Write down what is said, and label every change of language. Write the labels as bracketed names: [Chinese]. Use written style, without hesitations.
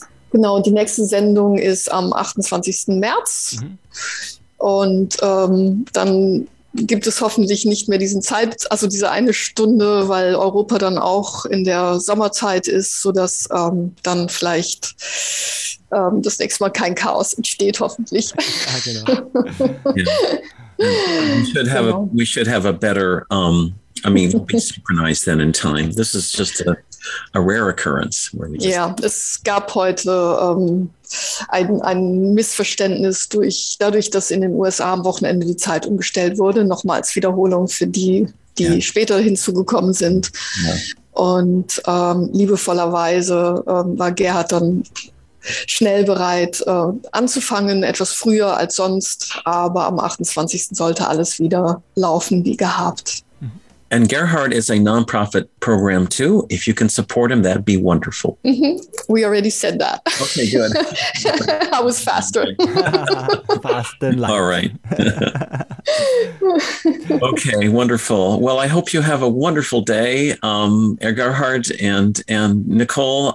[German] Genau, die nächste Sendung ist am 28. März. Mhm. Und dann gibt es hoffentlich nicht mehr diesen also diese eine Stunde, weil Europa dann auch in der Sommerzeit ist, sodass dann vielleicht das nächste Mal kein Chaos entsteht, hoffentlich. [English] We should have a better, super nice then in time. This is just a rare occurrence. [German] Es gab heute ein Missverständnis dadurch, dass in den USA am Wochenende die Zeit umgestellt wurde. Nochmal als Wiederholung für die später hinzugekommen sind. [English] Yeah. [German] Und liebevollerweise war Gerhard dann schnell bereit anzufangen, etwas früher als sonst. Aber am 28. sollte alles wieder laufen wie gehabt. [English] And Gerhard is a nonprofit program too. If you can support him, that'd be wonderful. Mm-hmm. We already said that. Okay, good. I was faster. Fast than light. All right. Okay, wonderful. Well, I hope you have a wonderful day, Gerhard and Nicole.